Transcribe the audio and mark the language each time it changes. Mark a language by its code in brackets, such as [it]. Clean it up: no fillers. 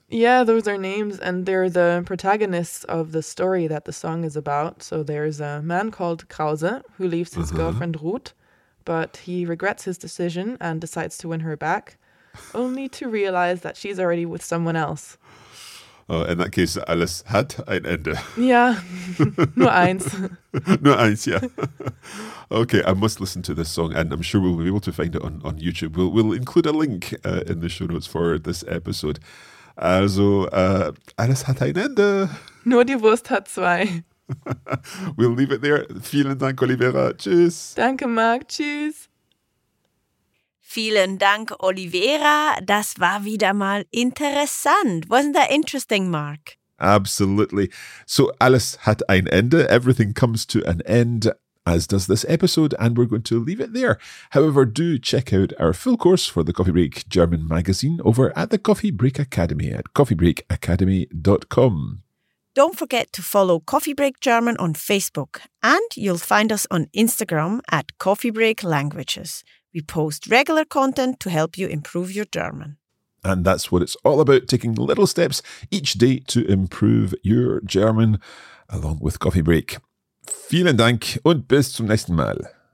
[en] Yeah, those are names, and they're the protagonists of the story that the song is about. So there's a man called Krause who leaves his girlfriend Ruth, but he regrets his decision and decides to win her back, only to realize that she's already with someone else. Oh, in that case, [de] alles hat ein Ende. Yeah, nur eins. Nur eins, yeah. [en] Okay, I must listen to this song, and I'm sure we'll be able to find it on YouTube. We'll include a link in the show notes for this episode. [de] Also, alles hat ein Ende. Nur die Wurst hat zwei. [en] We'll leave it there. [de] Vielen Dank, [en] Olivera. [de] Tschüss. Danke, Marc. Tschüss. Vielen Dank, Olivera. Das war wieder mal interessant. [en] Wasn't that interesting, Mark? Absolutely. So, [de] alles hat ein Ende. [en] Everything comes to an end, as does this episode, and we're going to leave it there. However, do check out our full course for the Coffee Break German magazine over at the Coffee Break Academy at coffeebreakacademy.com. Don't forget to follow Coffee Break German on Facebook, and you'll find us on Instagram at Coffee Break Languages. We post regular content to help you improve your German. And that's what it's all about, taking little steps each day to improve your German along with Coffee Break. [de] Vielen Dank und bis zum nächsten Mal.